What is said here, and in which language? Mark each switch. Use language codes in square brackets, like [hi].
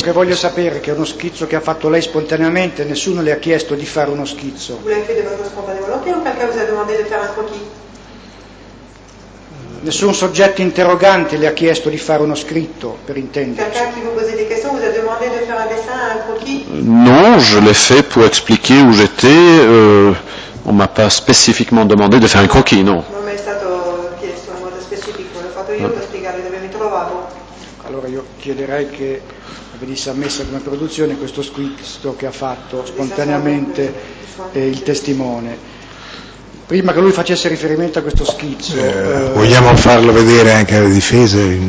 [fr] Ce que je veux savoir, c'est un schizzo qu'a fait lui spontanément, personne ne lui a demandé de faire un schizzo. Vous l'avez fait de manière spontanée, ou quelqu'un vous a demandé de faire un croquis? [it] Nessun soggetto interrogante le ha chiesto di fare uno scritto, per intenderci. [fr] Quelqu'un qui vous posait des questions, vous a demandé de faire un dessin à un croquis? Non, je l'ai fait pour expliquer où j'étais. On m'a pas spécifiquement demandé de faire un croquis, non. Non, mais c'est [it] stato chiesto in modo specifico. L'ho fatto io per spiegare dove mi trovavo. Allora io chiederei che venisse ammessa come produzione questo scritto che ha fatto spontaneamente il testimone. Prima che lui facesse riferimento a questo schizzo... Vogliamo farlo vedere anche alle difese?